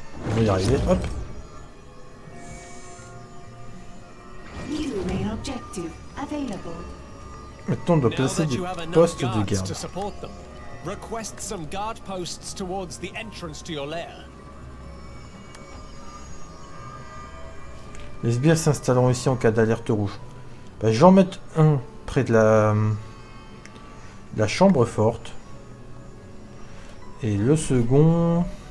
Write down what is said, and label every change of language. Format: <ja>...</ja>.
<fr>On va y arriver, hop.</fr> <en>New main objective. active available.</en> <fr>Maintenant, on doit placer des postes de garde.</fr> <en>Request some guard posts towards the entrance to your lair.</en> <fr>Les sbires s'installeront ici en cas d'alerte rouge. Bah, je vais en mettre un près de la chambre forte. Et le second.</fr>